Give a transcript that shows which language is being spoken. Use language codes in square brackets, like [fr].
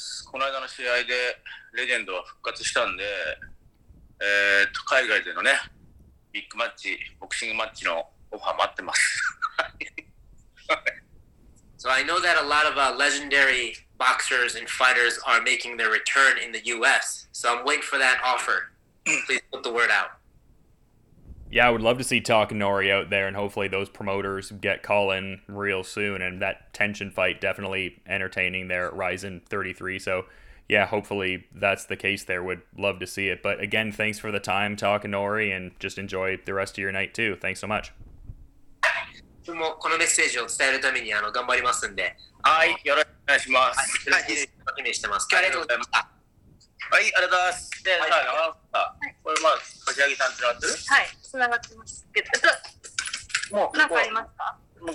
[ja] この間の試合でレジェンドは復活したんで、海外でのねビッグマッチ、ボクシングマッチのオファー待ってます。 [en] So I know that a lot of legendary boxers and fighters are making their return in the U.S. So I'm waiting for that offer. Please put the word out. Yeah, I would love to see Takanori out there, and hopefully those promoters get calling real soon, and that tension fight definitely entertaining there at Ryzen 33. So, yeah, hopefully that's the case there. Would love to see it. But again, thanks for the time, Takanori, and just enjoy the rest of your night too. Thanks so much. [ja] もうこのメッセージを伝えるためにあの頑張りますんで。はい、よろしくお願いします。はい、よろしくお願いします。ありがとうございました。はい、ありがとうございます。で、はい、山本さん、これまあ、柏木さんつながってる？はい、つながってます。もう、なんかありますか？